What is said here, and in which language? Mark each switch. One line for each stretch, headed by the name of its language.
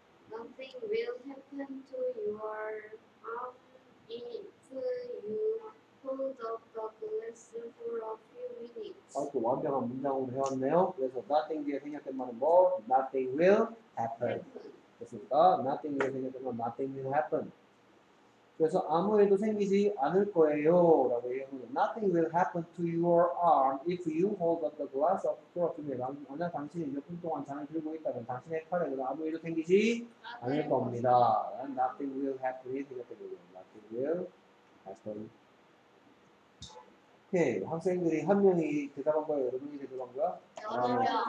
English: Nothing will happen to your arm if you hold up the glass for a few minutes.
Korean: 아, 완벽한 문장으로 해왔네요. 그래서 nothing 뒤에 생략된 말은 뭐?
English: Nothing will happen.
Korean: 됐습니까? Nothing 뒤에 생략된 말은
English: nothing will happen.
Korean: 그래서 아무 일도 생기지 않을 거예요. 라고 얘기하면
English: nothing will happen to your arm if you hold up the glass of for a few minutes.
Korean: 만약 당신이 몇 분 동안 잔을 들고 있다면 당신의 팔에는 아무 일도 생기지 않을 겁니다.
English: Nothing will happen. Nothing will happen.
Korean: 오케이 학생들이 한 명이 대답한 거야 여러 명이 대답한 거야? 여러 명